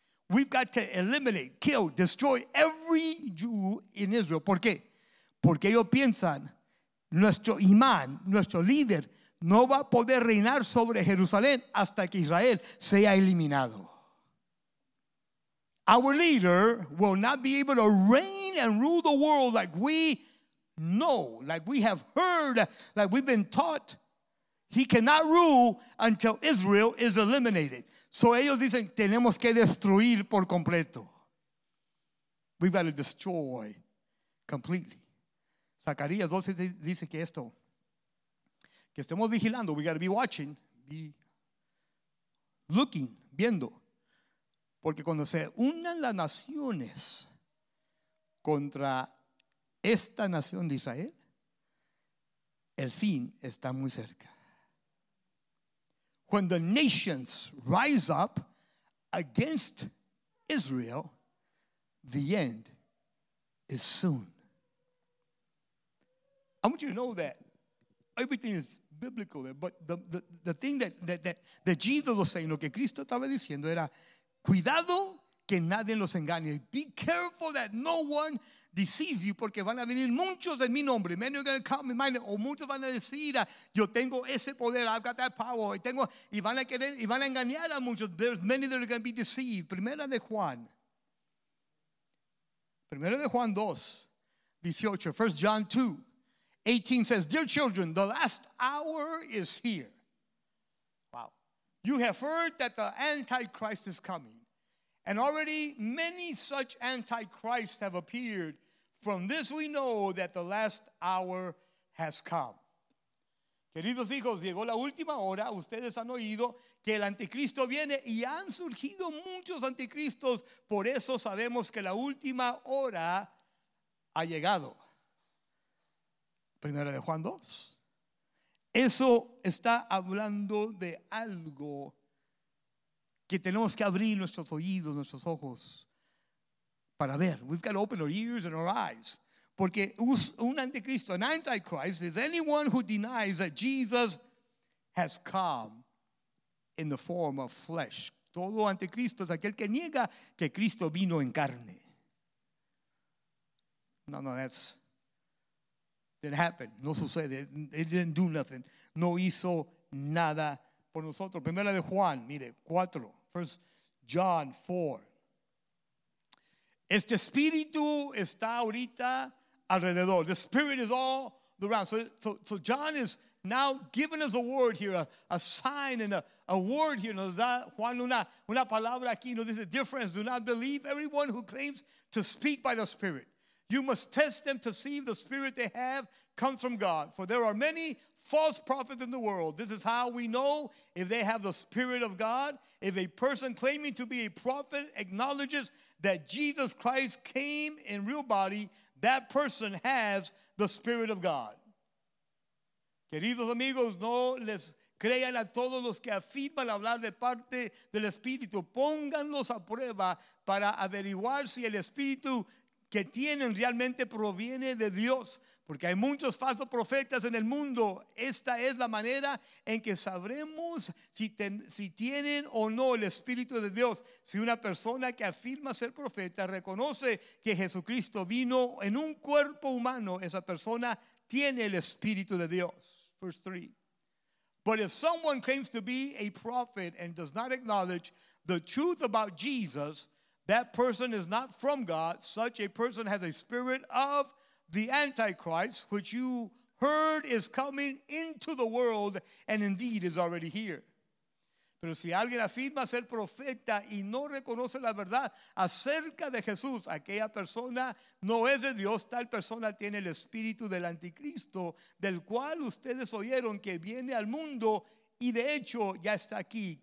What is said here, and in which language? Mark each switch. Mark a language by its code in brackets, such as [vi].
[en] We've got to eliminate, kill, destroy every Jew in Israel. [es] ¿Por qué? Porque ellos piensan, nuestro imán, nuestro líder, no va a poder reinar sobre Jerusalén hasta que Israel sea eliminado. [en] Our leader will not be able to reign and rule the world like we know, like we have heard, like we've been taught. He cannot rule until Israel is eliminated. [es] So ellos dicen, tenemos que destruir por completo. [en] We've got to destroy completely. [es] Zacarías 12 dice que esto, que estemos vigilando, [en] we got to be watching, be looking, [es] viendo. Porque cuando se unan las naciones contra esta nación de Israel, el fin está muy cerca. [en] When the nations rise up against Israel, the end is soon. I want you to know that everything is biblical there, but the thing that Jesus was saying, [es] lo que Cristo estaba diciendo era, cuidado que nadie los engañe. [en] Be careful that no one deceives you, [es] porque van a venir muchos en mi nombre. [en] Many are going to come in my name, [es] o muchos van a decir, yo tengo ese poder, [en] I've got that power, [es] y tengo, y van a querer, y van a engañar a muchos. [en] There's many that are going to be deceived. [es] Primera de Juan 2:18. [en] 1 John 2:18 says, dear children, the last hour is here. Wow. You have heard that the Antichrist is coming, and already many such Antichrists have appeared. From this we know that the last hour has come. [es] Queridos hijos, llegó la última hora. Ustedes han oído que el anticristo viene y han surgido muchos anticristos. Por eso sabemos que la última hora ha llegado. Primera de Juan 2. Eso está hablando de algo que tenemos que abrir nuestros oídos, nuestros ojos. Para ver, [en] we've got to open our ears and our eyes. [es] Porque un anticristo, [en] an antichrist, is anyone who denies that Jesus has come in the form of flesh. [es] Todo anticristo es aquel que niega que Cristo vino en carne. [en] No, no, that's didn't happen. [es] No sucede. [en] It didn't do nothing. [es] No hizo nada por nosotros. Primera de Juan, mire, 4. [en] 1 John 4. [es] Este espíritu está ahorita alrededor. [en] The spirit is all around. So John is now giving us a word here, a sign and a word here. [es] Nos da Juan una palabra aquí. Nos dice, [en] dear friends, do not believe everyone who claims to speak by the Spirit. You must test them to see if the spirit they have comes from God. For there are many false prophets in the world. This is how we know if they have the spirit of God. If a person claiming to be a prophet acknowledges that Jesus Christ came in real body, that person has the spirit of God. [es] Queridos amigos, no les crean a todos los que afirman hablar de parte del Espíritu. Pónganlos a prueba para averiguar si el Espíritu que tienen realmente proviene de Dios, porque hay muchos falsos profetas en el mundo. Esta es la manera en que sabremos si tienen o no el Espíritu de Dios. Si una persona que afirma ser profeta reconoce que Jesucristo vino en un cuerpo humano, esa persona tiene el Espíritu de Dios. [en] Verse 3. But if someone claims to be a prophet and does not acknowledge the truth about Jesus, that person is not from God. Such a person has a spirit of the Antichrist, which you heard is coming into the world and indeed is already here. [es] Pero si alguien afirma ser profeta y no reconoce la verdad acerca de Jesús, aquella persona no es de Dios. Tal persona tiene el espíritu del anticristo, del cual ustedes oyeron que viene al mundo y de hecho ya está aquí.